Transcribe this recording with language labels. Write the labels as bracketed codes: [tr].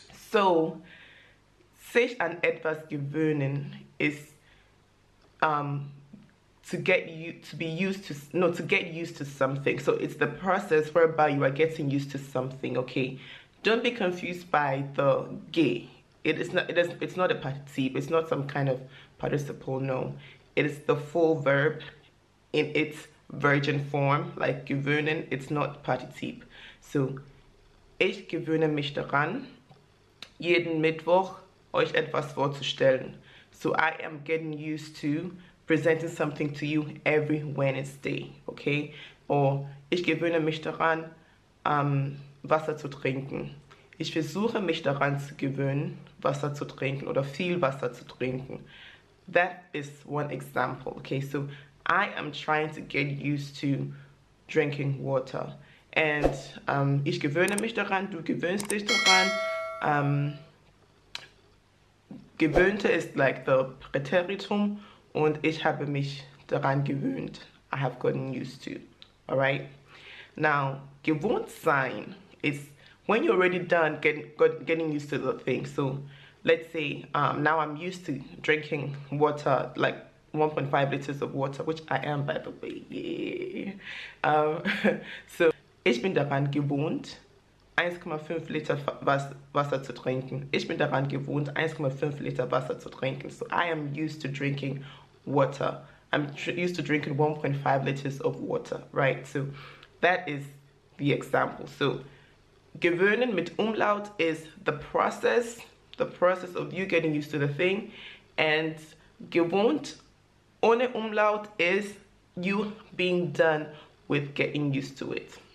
[en] So, [de] sich an etwas gewöhnen [en] is to get used to something. So it's the process whereby you are getting used to something. Okay, don't be confused by the ge. It's not a participle, it's not some kind of participle, no. It is the full verb in its virgin form, like gewöhnen, it's not participle. [de] So, ich gewöhne mich daran, jeden Mittwoch euch etwas vorzustellen. [en] So, I am getting used to presenting something to you every Wednesday, okay? [de] Or, ich gewöhne mich daran, Wasser zu trinken. Ich versuche mich daran zu gewöhnen, Wasser zu trinken oder viel Wasser zu trinken. [en] That is one example. Okay, so I am trying to get used to drinking water. [de] And ich gewöhne mich daran, du gewöhnst dich daran. Gewöhnte ist like the Präteritum. Und ich habe mich daran gewöhnt. [en] I have gotten used to. Alright? Now, [de] gewohnt sein ist [en] when you're already done getting used to the thing. So let's say now I'm used to drinking water, like 1.5 liters of water, which I am, by the way, yeah. [de] So ich bin daran gewohnt, 1.5 Liter Wasser zu trinken. Ich bin daran gewohnt, 1.5 Liter Wasser zu trinken. [en] So I am used to drinking water. I'm used to drinking 1.5 liters of water, right? So that is the example. So [de] gewöhnen mit Umlaut [en] is the process of you getting used to the thing, and [de] gewohnt ohne Umlaut [en] is you being done with getting used to it.